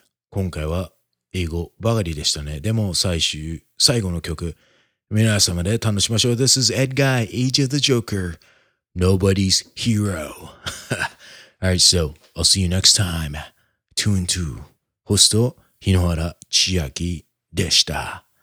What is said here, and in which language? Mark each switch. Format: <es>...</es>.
<ja>今回は英語ばかりでしたね。でも最後の曲、皆様で楽しましょう。</ja> <en>This is Ed Guy, Age of the Joker, Nobody's Hero. Alright, so I'll see you next time. 2&2.</en> <ja>ホスト日野原千秋でした。</ja>